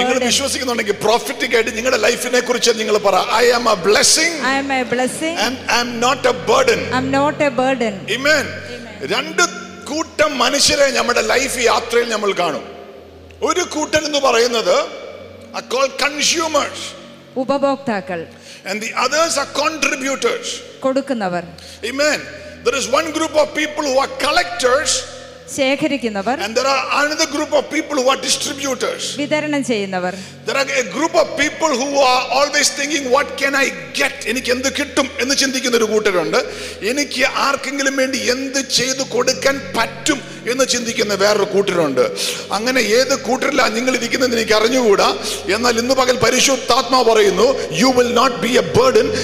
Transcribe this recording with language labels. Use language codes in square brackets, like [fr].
[ml] നിങ്ങൾ വിശ്വസിക്കുന്നുണ്ടെങ്കിൽ പ്രോഫറ്റിക് ആയിട്ട് നിങ്ങളുടെ ലൈഫിനെ കുറിച്ച് നിങ്ങൾ പറ, [en] I am a blessing. I am a blessing. And I am not a burden. I am not a burden. Amen. [ml] രണ്ട് കൂട്ടം മനുഷ്യരെ നമ്മുടെ ലൈഫ് യാത്രയിൽ നമ്മൾ കാണും. ഒരു കൂട്ടൻ എന്ന് പറയുന്നത് [en] are called consumers. [ml] ഉപഭോക്താക്കൾ. [en] And the others are contributors. [ml] കൊടുക്കുന്നവർ. [en] Amen. There is one group of people who are collectors. [ml] ശേഖരിക്കുന്നവർ. [en] And there are another group of people who are distributors. [ml] വിതരണം ചെയ്യുന്നവർ. [en] There are a group of people who are always thinking, what can I get? [ml] എനിക്ക് എന്ത് കിട്ടും എന്ന് ചിന്തിക്കുന്ന ഒരു കൂട്ടരുണ്ട്. എനിക്ക് ആർക്കെങ്കിലും വേണ്ടി എന്ത് ചെയ്തു കൊടുക്കാൻ പറ്റും എന്ന് ചിന്തിക്കുന്ന വേറൊരു കൂട്ടരുണ്ട്. അങ്ങനെ ഏത് കൂട്ടരിലാണ് നിങ്ങൾ ഇരിക്കുന്നത് എനിക്ക് അറിഞ്ഞുകൂടാ. എന്നാൽ ഇന്ന് പകൽ പരിശുദ്ധാത്മാ പറയുന്നു, [en] You will not be a burden.